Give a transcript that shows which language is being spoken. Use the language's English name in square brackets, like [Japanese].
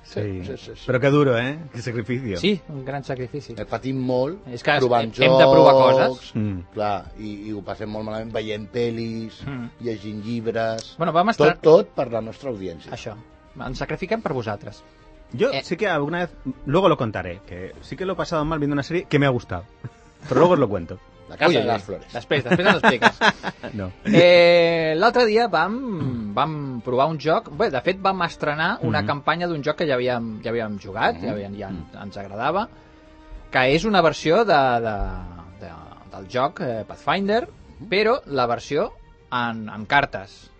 [Catalan] Sí, sí, sí, sí. Però que duro, eh? Que sacrifici. Sí, un gran sacrifici. He patit molt, és que provant jocs... Hem de provar coses. Clar, i ho passem molt malament veient pel·lis, llegint llibres... Bueno, vam estar... Tot per la nostra audiència. Això, ens sacrifiquem per vosaltres. [Spanish] Yo sí que alguna vez, luego lo contaré, que sí que lo he pasado mal viendo una serie que me ha gustado, pero luego os lo cuento. La casa de las flores. Después nos explicas. No. [Catalan] L'altre dia vam provar un joc, bé, de fet vam estrenar una campanya d'un joc que ja havíem jugat, ens agradava, que és una versió del joc Pathfinder, però la versió en cartes.